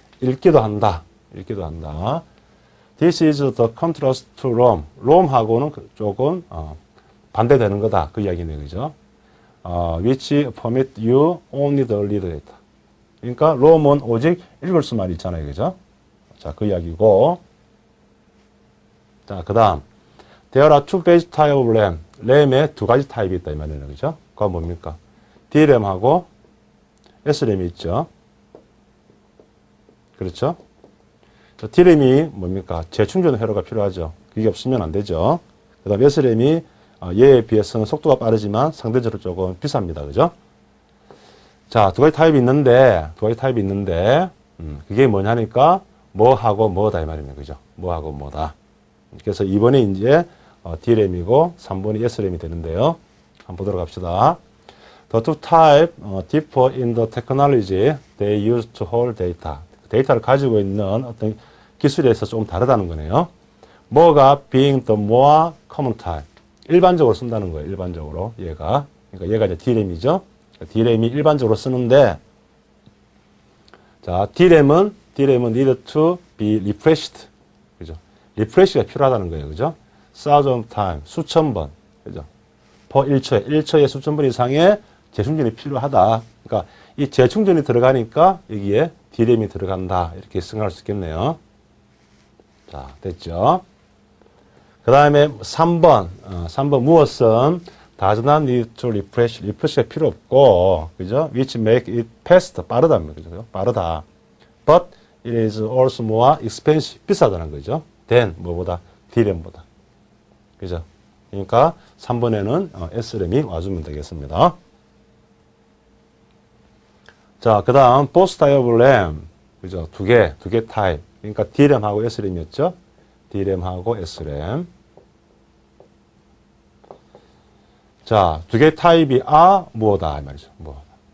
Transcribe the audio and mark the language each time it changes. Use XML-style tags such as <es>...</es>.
<ko>읽기도 한다. 읽기도 한다.</ko> <en>This is the contrast to ROM.</en> <ko>ROM하고는 조금 반대되는 거다. 그 이야기네요. 그죠?</ko> <en>Which permit you only the read data.</en> <ko>그러니까 ROM은 오직 읽을 수만 있잖아요. 그죠? 자, 그 이야기고. 자, 그다음</ko> <en>There are two basic types of RAM.</en> <ko>RAM에 두 가지 타입이 있다 이 말이네요. 그죠? 그건 뭡니까? DRAM하고 SRAM이 있죠. 그렇죠? 자, DRAM이 뭡니까? 재충전 회로가 필요하죠. 그게 없으면 안 되죠. 그 다음 SRAM이 얘에 비해서는 속도가 빠르지만 상대적으로 조금 비쌉니다. 그죠? 자, 두 가지 타입이 있는데 그게 뭐냐니까 뭐하고 뭐다 이 말이네요. 그죠? 뭐하고 뭐다. 그래서 2번이 이제 DRAM이고 3번이 SRAM이 되는데요. 한번 보도록 합시다.</ko> <en>The two types differ in the technology they use to hold data.</en> <ko>데이터를 가지고 있는 어떤 기술에서 조금 다르다는 거네요. 뭐가</ko> <en>being the more common type.</en> <ko>일반적으로 쓴다는 거예요. 일반적으로 얘가. 그러니까 얘가 이제 DRAM이죠. DRAM이 일반적으로 쓰는데 자, DRAM은</ko> <en>need to be refreshed.</en> <ko>그죠? refresh가 필요하다는 거예요. 그죠?</ko> <en>thousand time,</en> <ko>수천 번, 그죠? per 1초에, 1초에 수천 번 이상의 재충전이 필요하다. 그러니까 이 재충전이 들어가니까 여기에 DRAM이 들어간다. 이렇게 생각할 수 있겠네요. 자, 됐죠? 그 다음에 3번, 무엇은</ko> <en>does not need to refresh,</en> <ko>refresh가 필요 없고, 그죠?</ko> <en>which make it faster,</en> <ko>빠르다면, 그죠? 빠르다.</ko> <en>but it is also more expensive,</en> <ko>비싸다는 거죠? than, 뭐보다, DRAM보다. 그죠? 그러니까 3번에는 SRAM이 와주면 되겠습니다. 자, 그 다음</ko> <en>Both type of RAM</en> <ko>그죠? 두 개 타입 그러니까 DRAM하고 SRAM이었죠? DRAM하고 SRAM 자, 두 개 타입이 무엇이다 말이죠. 무엇이다.</ko>